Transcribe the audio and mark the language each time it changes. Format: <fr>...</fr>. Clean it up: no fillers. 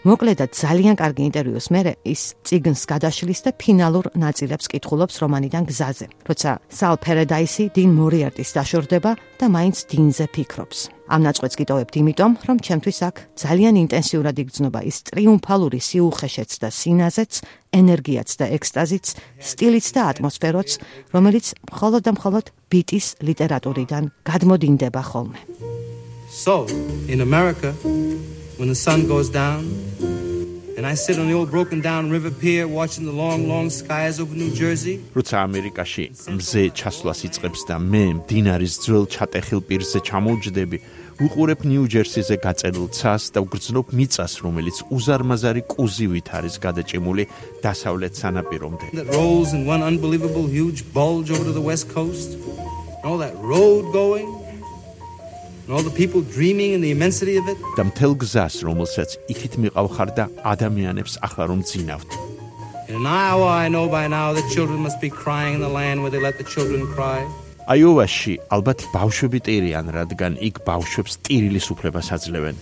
<ka>მოკლე და ძალიან კარგი ინტერვიუს მერე ის წიგნს გადაშლის და ფინალურ ნაწილებს კითხულობს რომანიდან გზაზე, როცა სალ ფერედაისი დინ მორიარტის დაშორდება და მაინც დინზე ფიქრობს. ამ ნაწყვეტს გიტოვებთ იმიტომ, რომ ჩემთვის აქ ძალიან ინტენსიურად იგრძნობა ის ტრიუმფალური სიუხეშეც და სინაზეც, ენერგიაც და ექსტაზიც, სტილიც და ატმოსფეროც, რომელიც მხოლოდ და მხოლოდ ბიტის ლიტერატურიდან გადმოდინდება ხოლმე.</ka> <en>So, in America, when the sun goes down and I sit on the old broken down river pier watching the long long skies over New Jersey.</en> <ka>როცა ამერიკაში მზე ჩასვლას იწყებს და მე მდინარის ძველ ჩატეხილ პირზე ჩამოვჯდები, უყურებ ნიუ-ჯერსიზე გაწელილ ცას და ვგრძნობ მიწას, რომელიც უზარმაზარი კუზივით არის გადაჭიმული დასავლეთ სანაპირომდე.</ka> <en>That rolls in one unbelievable huge bulge over to the west coast. All that road going and all the people dreaming in the immensity of it.</en> <ka>Და მთელ გზას, რომელსაც იქით მიყავხარ და ადამიანებს ახლა რომ წინავთ.</ka> <en>In Iowa, I know by now that children must be crying in the land where they let the children cry.</en> <ka>Iowa-ში ალბათ ბავშვები ტირიან, რადგან იქ ბავშვებს ტირილის უფლებას აძლევენ.</ka>